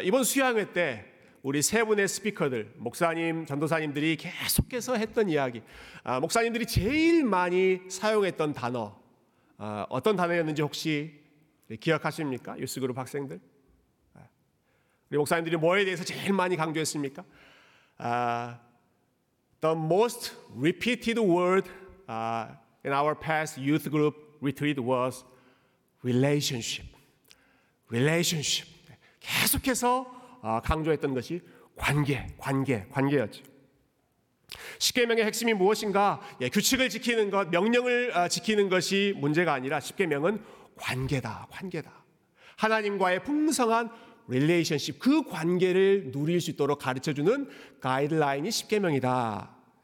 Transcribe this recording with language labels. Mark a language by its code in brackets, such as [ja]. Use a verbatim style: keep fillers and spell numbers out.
[ko] 이번 수양회 때 우리 세 분의 스피커들, 목사님, 전도사님들이 계속해서 했던 이야기, 아, 목사님들이 제일 많이 사용했던 단어, 아, 어떤 단어였는지 혹시 기억하십니까? 유스그룹 학생들? 우리 목사님들이 뭐에 대해서 제일 많이 강조했습니까? [en] Uh, the most repeated word uh, in our past youth group retreat was relationship. relationship. [ko] 계속해서 uh, 강조했던 것이 관계, 관계, 관계였죠. 십계명의 핵심이 무엇인가? 예, 규칙을 지키는 것, 명령을 uh, 지키는 것이 문제가 아니라 십계명은 관계다, 관계다. 하나님과의 풍성한 릴레이션십, 그 관계를 누릴 수 있도록 가르쳐주는 가이드라인이 십계명이다.